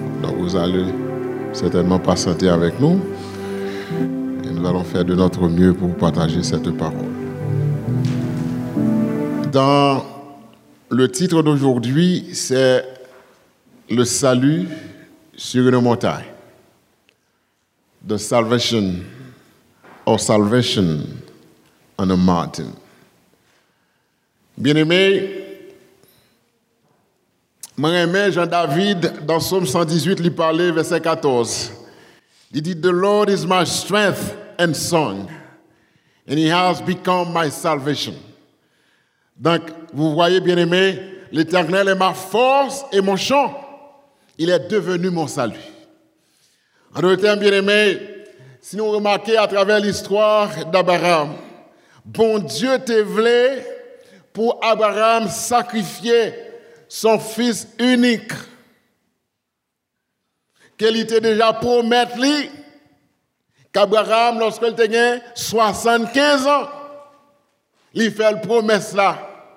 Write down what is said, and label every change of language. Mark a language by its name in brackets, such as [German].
[French] Donc, vous allez certainement patienter avec nous. Et nous allons faire de notre mieux pour partager cette parole. Dans le titre d'aujourd'hui, c'est le salut sur une montagne. [English] The salvation or salvation on a mountain. [French] Bien-aimés, mon aimé Jean-David, dans Psaume 118, lui parlait, verset 14. Il dit, [English] the Lord is my strength and song, and he has become my salvation. [French] Donc, vous voyez, bien-aimés, l'Éternel est ma force et mon chant. Il est devenu mon salut. En d'autres termes, bien-aimés, si nous remarquons à travers l'histoire d'Abraham, bon Dieu t'a voulu pour Abraham sacrifier son fils unique, qu'il était déjà promis qu'Abraham, lorsqu'il avait 75 ans, il fait la promesse là.